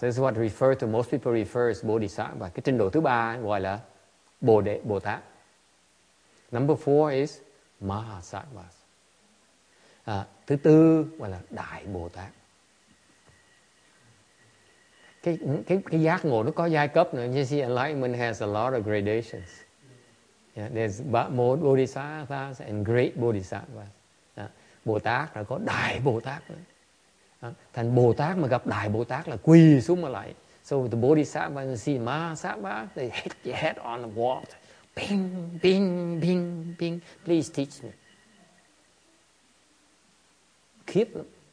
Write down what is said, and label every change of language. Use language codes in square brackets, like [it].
[en] This is what refer to most people refer as bodhisattvas. [vi] Cái trình độ thứ ba gọi là Bồ Tát. [en] Number 4 is [vi] Mahasattvas. À, thứ tư gọi là Đại Bồ Tát. Cái giác ngộ nó có giai cấp nữa. [en] You see, enlightenment has a lot of gradations. Yeah, there's more bodhisattvas and great bodhisattvas. Yeah. [vi] Bồ Tát là có Đại Bồ Tát nữa. Thành Bồ Tát mà gặp Đại Bồ Tát là quỳ xuống mà lại. [en] So the bodhisattva and see mahasattva, they hit their head on the wall. Bing, bing, bing, bing. Please teach me. [vi] Khiếp lắm.